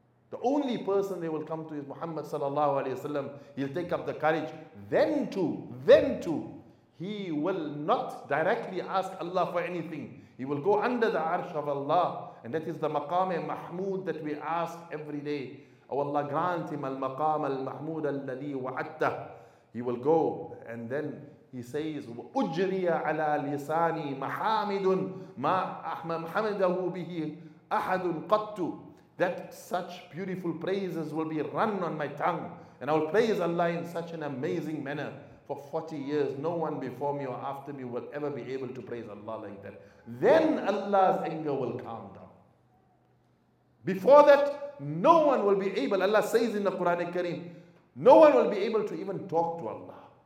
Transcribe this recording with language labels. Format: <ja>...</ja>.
<en>The only person they will come to is Muhammad sallallahu alayhi wasalam. He'll take up the courage. Then too. He will not directly ask Allah for anything. He will go under the arsh of Allah. And that is the maqam al-mahmood that we ask every day. Oh Allah, grant him</en> <ar>al-maqam al-mahmood al-ladhi wa'atta.</ar> <en>He will go and then he says,</en> <ar>وَأُجْرِيَ عَلَىٰ لِسَانِي مَحَامِدٌ مَا أَحْمَدَهُ بِهِ أَحَدٌ قَطُّ.</ar> <en>That such beautiful praises will be run on my tongue. And I will praise Allah in such an amazing manner. For 40 years, no one before me or after me will ever be able to praise Allah like that. Then Allah's anger will calm down. Before that, no one will be able, Allah says in the Quran al-Kareem, no one will be able to even talk to Allah.</en>